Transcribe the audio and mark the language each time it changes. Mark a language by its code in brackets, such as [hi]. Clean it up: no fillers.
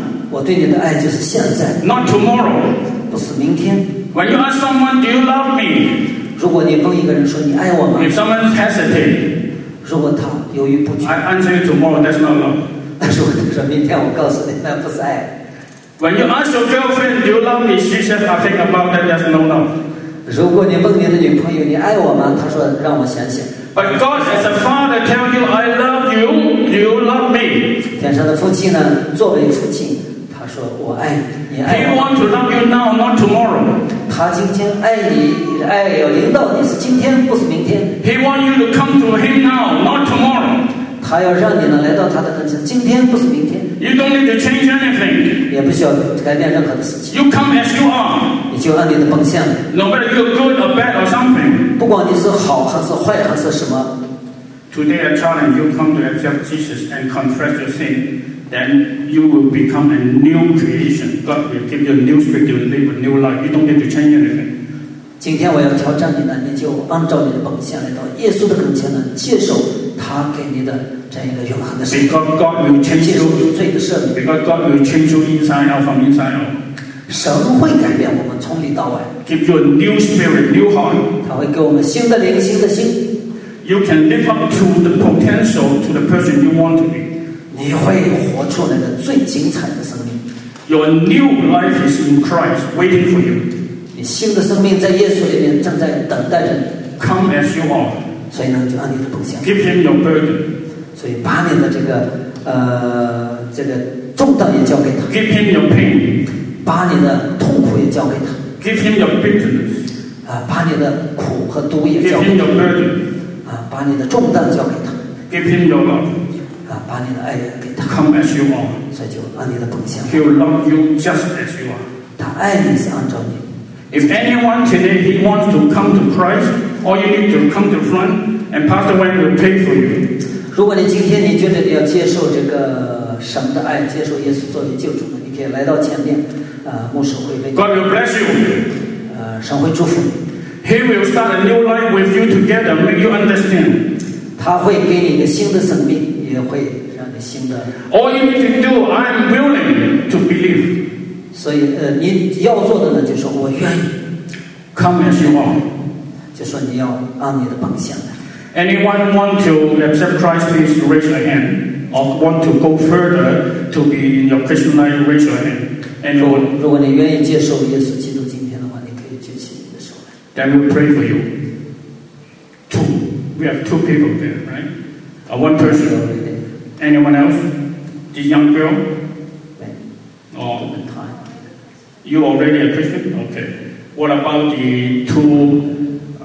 [zh] 我对你的爱就是现在。 [en] Not tomorrow， [zh] 不是明天。 [en] When you ask someone do you love me， [zh] 如果你问一个人说你爱我吗 [en] ？If someone hesitate， [zh] 如果他犹豫不决 [en] ，I answer you tomorrow， that's not love。 [zh] 如果他说明天，我告诉你那不是爱。 [en] When you ask your girlfriend do you love me， she says I think about that， that's no love。 [zh] 如果你问你的女朋友你爱我吗她说让我想想 [en] But God as a father tell you I love you Do you love me [zh] 天上的父亲呢作为父亲他说我爱你你爱我 [en] He want to love you now not tomorrow [zh] 他今天爱你你的爱要临到你是今天不是明天 [en] He want you to come to him now not tomorrow [zh] 他要让你呢来到他的跟前今天不是明天 [en] You don't need to change anything [zh] 也不需要改变任何的事情 [en] You come as you are [zh] 就按你的本相。 [en] No matter you're good or bad or something. [zh] 不管你是好还是坏还是什么。 [en] Today I challenge you come to accept Jesus and confess your sin, then you will become a new creation. God will give you a new spirit, you will live a new life. You don't need to change anything. [zh] 今天我要挑战你呢，你就按照你的本相来到耶稣的跟前呢，接受他给你的这样一个永恒的赦免。 [en] Because God will change you. [zh] 接受罪的赦免。 [en] Because God will change you inside out from inside out. [zh] 神会改变我们从里到外 [en] Give you a new spirit, new heart [zh] 他会给我们新的灵新的心 [en] You can live up to the potential to the person you want to be. [zh] 你会活出那个最精彩的生命。 [en] Your new life is in Christ waiting for you. [zh] 你新的生命在耶稣里面正在等待着你。 [en] Come as you are. [zh] 所以呢，就按你的梦想。 [en] Give him your burden. [zh] 所以把你的这个这个重担也交给他。 [en] Give him your pain. [zh] 把你的痛苦也交给他。 [en] Give him your bitterness. [zh] 把你的苦和毒也交给他。 [en] Give him your burden. [zh] 把你的重担交给他。 [en] Give him your love. [zh] 把你的爱也给他。 [en] Come as you are. [zh] 所以就按你的本相。 [en] He will love you just as you are. [zh] 他爱你是按照你。 [en] If anyone today he wants to come to Christ, all you need to come to front, and Pastor Wang will pray for you. [zh] 如果你今天你觉得你要接受这个神的爱，接受耶稣作为救主，你可以来到前面，牧师会为你。 [en] God will bless you. [zh] 神会祝福你。 [en] He will start a new life with you together, make you understand. [zh] 他会给你一个新的生命。也会让你新的。 [en] All you need to do, I'm willing to believe. [zh] 所以，你要做的呢，就说我愿意。 [en] Come as you are. [zh] 就说你要按你的本相来。 [en] Anyone want to accept Christ, please raise your hand. Or want to go further to be in your Christian life, raise your hand. Anyone? [zh] 如果你愿意接受耶稣基督今天的话，你可以举起你的手来。 [en] Then we pray for you. Two. We have two people there, right? One person. Anyone else? This young girl? No. Oh. You already a Christian? Okay. What about the two